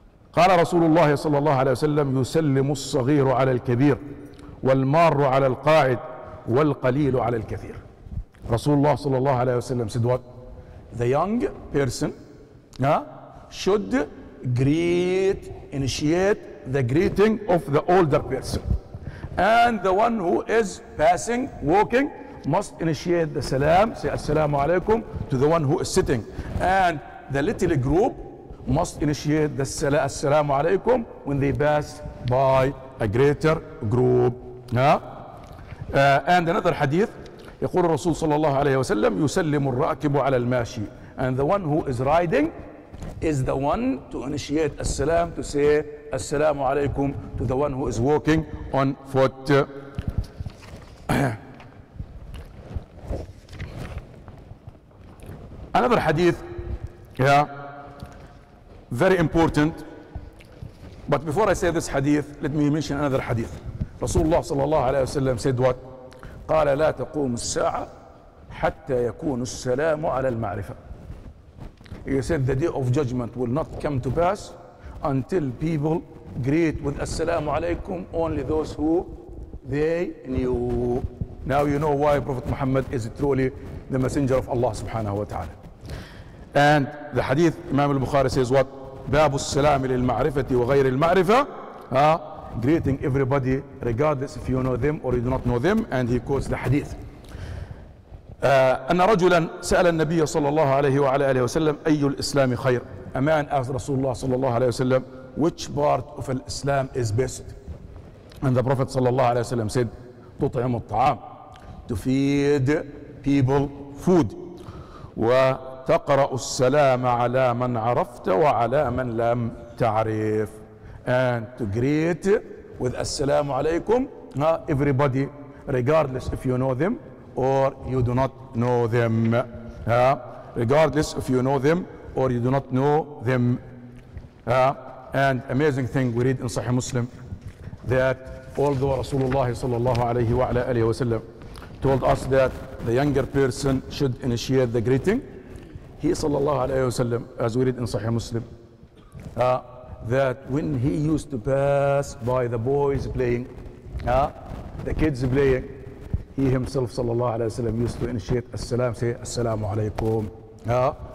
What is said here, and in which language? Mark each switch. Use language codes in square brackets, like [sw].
[ar] قال رسول الله صلى الله عليه وسلم يسلم الصغير على الكبير والمار على القاعد والقليل على الكثير. [en] رسول الله صلى الله عليه وسلم said what? The young person should greet, initiate the greeting of the older person. And the one who is passing, walking, must initiate the salam, say assalamu alaikum, to the one who is sitting. And the little group must initiate the assalamu alaikum when they pass by a greater group. And another hadith, [ar] يقول الرسول صلى الله عليه وسلم يسلم الراكب على الماشي. [en] And the one who is riding is the one to initiate assalam, to say assalamu alaikum to the one who is walking on foot. Another hadith, very important. But before I say this hadith, let me mention another hadith. Rasulullah sallallahu alayhi wa sallam said what? [ar] قال لا تقوم الساعة حتى يكون السلام على المعرفة. [en] He said the day of judgment will not come to pass until people greet with assalamu alaykum only those who they knew. Now you know why Prophet Muhammad is truly the messenger of Allah subhanahu wa ta'ala. And the hadith, Imam al-Bukhari says what? [ar] باب السلام للمعرفة وغير المعرفة. [en] Greeting everybody regardless if you know them or you do not know them. And he quotes the hadith. [ar] أن رجلا سأل النبي صلى الله عليه وعلى آله وسلم أي الإسلام خير. [en] A man asked Rasulullah صلى الله عليه وسلم, which part of Islam is best? And the Prophet [ar] صلى الله عليه وسلم said, تطعم الطعام, [en] to feed people food, [ar] و تقرأ السلام على من عرفت وعلى من لم تعرف. [en] And to greet with assalamu alaikum everybody regardless if you know them or you do not know them. Regardless if you know them or you do not know them. And amazing thing we read in Sahih Muslim that although Rasulullah sallallahu alayhi wa alayhi wa sallam told us that the younger person should initiate the greeting, he sallallahu alayhi wa sallam, as we read in Sahih Muslim, that when he used to pass by the boys playing, the kids playing, he himself sallallahu alayhi wa sallam used to initiate as-salam, say assalamu alaykum.